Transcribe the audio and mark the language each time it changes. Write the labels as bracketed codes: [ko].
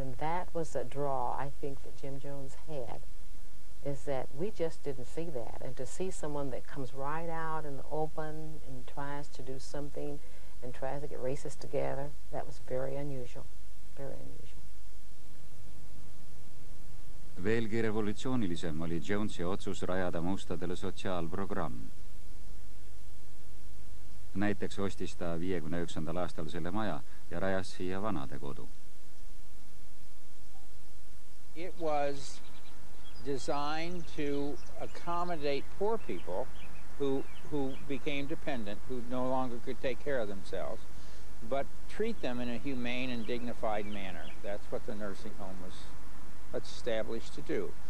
[en] And that was a draw, I think, that Jim Jones had, is that we just didn't see that. And to see someone that comes right out in the open and tries to do something and tries to get races together, that was very unusual, very unusual. [et] Veelgi revolutsioonilisem oli Jonesi otsus rajada mustadele sotsiaalprogramm. Näiteks ostis ta 59. aastal selle maja ja rajas siia vanade kodu. [en] It was designed to accommodate poor people who became dependent, who no longer could take care of themselves, but treat them in a humane and dignified manner. That's what the nursing home was established to do.